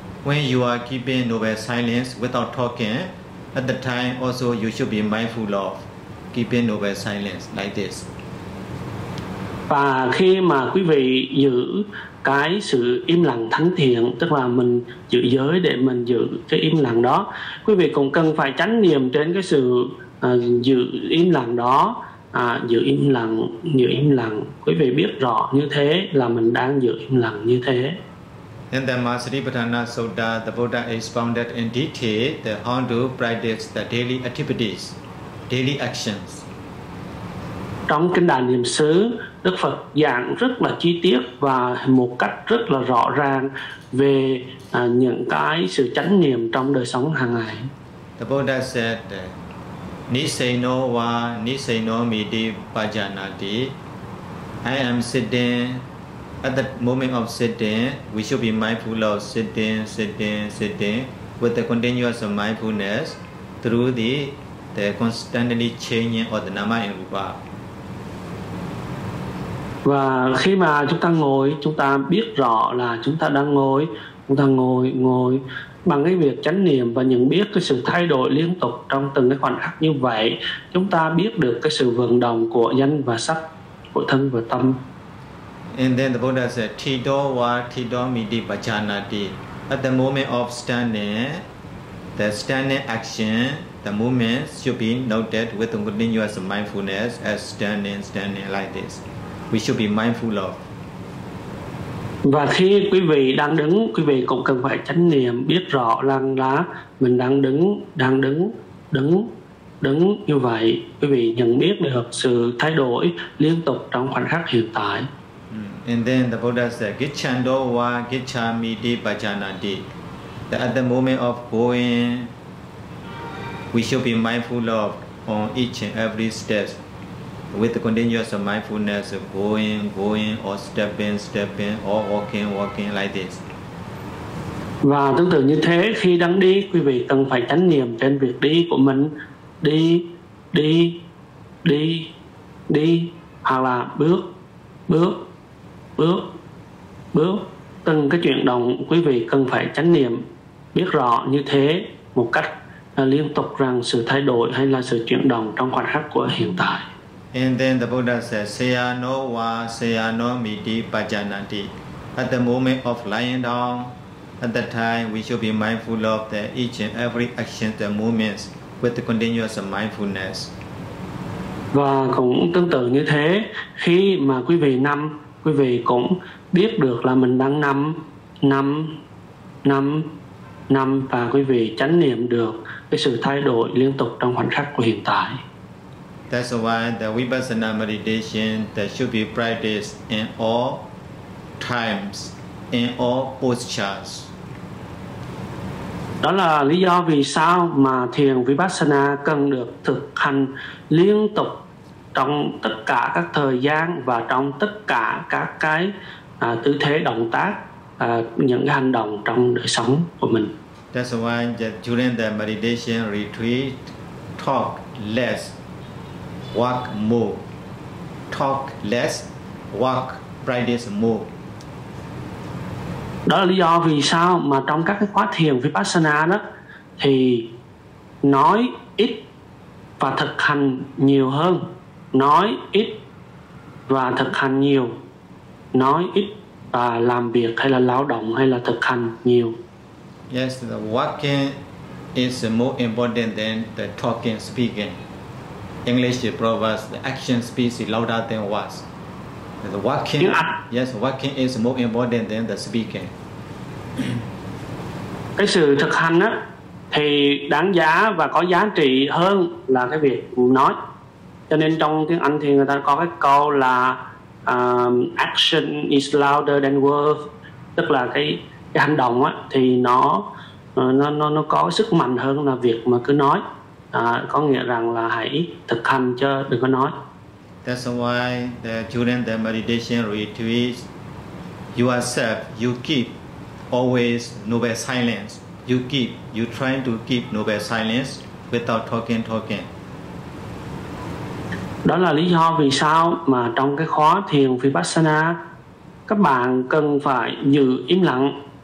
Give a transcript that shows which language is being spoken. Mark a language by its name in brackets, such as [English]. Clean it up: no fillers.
[English] When you are keeping noble silence without talking, at the time also you should be mindful of keeping noble silence like this. [Vietnamese] Và khi mà quý vị giữ cái sự im lặng thánh thiện, tức là mình giữ giới để mình giữ cái im lặng đó, quý vị cũng cần phải chánh niệm trên cái sự giữ im lặng đó, giữ im lặng. Quý vị biết rõ như thế là mình đang giữ im lặng như thế. [English] In the Matsuripatthana Sutta, the Buddha expounded in detail the how to practice the daily activities, daily actions. [Vietnamese] Trong kinh Đại Niệm Xứ, Đức Phật giảng rất là chi tiết và một cách rất là rõ ràng về những cái sự chánh niệm trong đời sống hàng ngày. [English] The Buddha said, [Pali] Nisaino wa nisaino midi bhajanati. [English] I am sitting. At the moment of sitting, we should be mindful of sitting with the continuous mindfulness through the constantly changing of the nama and rupa. [Vietnamese] Và khi mà chúng ta ngồi, chúng ta biết rõ là chúng ta đang ngồi, chúng ta ngồi bằng cái việc chánh niệm và nhận biết cái sự thay đổi liên tục trong từng cái khoảnh khắc như vậy, chúng ta biết được cái sự vận động của danh và sắc, của thân và tâm. [English] And then the Buddha said, [Pali] Thido wa thido midi bhajanati. [English] At the moment of standing, the standing action, the movement should be noted with continuous mindfulness as standing like this. We should be mindful of. [Vietnamese] Và khi quý vị đang đứng, quý vị cũng cần phải chánh niệm biết rõ rằng là mình đang đứng như vậy. Quý vị nhận biết được sự thay đổi liên tục trong khoảnh khắc hiện tại. [English] And then the Buddha said, [Pali] Gicchando wa gicchamiti bhajanati. [English] That at the moment of going, we should be mindful of on each and every step. With the continuous mindfulness, going, going, or stepping, stepping, or walking, walking like this. [Vietnamese] Và tương tự như thế, khi đang đi, quý vị cần phải chánh niệm trên việc đi của mình. Đi, đi, đi, đi, hoặc là bước, bước, bước, bước. Từng cái chuyển động, quý vị cần phải chánh niệm, biết rõ như thế một cách liên tục rằng sự thay đổi hay là sự chuyển động trong khoảnh khắc của hiện tại. [English] And then the Buddha says, [Pali] Seya no wa, seya no miti pajanati. [English] At the moment of lying down, at that time, we should be mindful of the each and every action and movements with the continuous mindfulness. [Vietnamese] Và cũng tương tự như thế, khi mà quý vị nằm, quý vị cũng biết được là mình đang nằm, nằm, nằm, nằm và quý vị chánh niệm được cái sự thay đổi liên tục trong khoảnh khắc của hiện tại. [English] That's why the Vipassana meditation that should be practiced in all times, in all postures. [Vietnamese] Đó là lý do vì sao mà thiền Vipassana cần được thực hành liên tục trong tất cả các thời gian và trong tất cả các cái tư thế động tác, những cái hành động trong đời sống của mình. [English] That's why that during the meditation retreat, talk less, walk more. Talk less, walk practice more. [Vietnamese] Đó là lý do vì sao mà trong các cái khóa thiền Vipassana đó thì nói ít và thực hành nhiều hơn. Nói ít và thực hành nhiều. Nói ít và làm việc hay là lao động hay là thực hành nhiều. [English] Yes, the walking is more important than the talking, speaking. English proverbs, the action speaks louder than words. The walking, yes, walking is more important than the speaking. [Vietnamese] Cái sự thực hành á thì đáng giá và có giá trị hơn là cái việc nói. Cho nên trong tiếng Anh thì người ta có cái câu là [English] action is louder than words, [Vietnamese] tức là cái hành động á thì nó có sức mạnh hơn là việc mà cứ nói. Có nghĩa rằng là hãy thực hành chứ đừng có nói. [English] That's why the during the meditation retreat, you accept, you keep always noble silence. You trying to keep noble silence without talking. [Vietnamese] Đó là lý do vì sao mà trong cái khóa thiền Vipassana, các bạn cần phải giữ im lặng.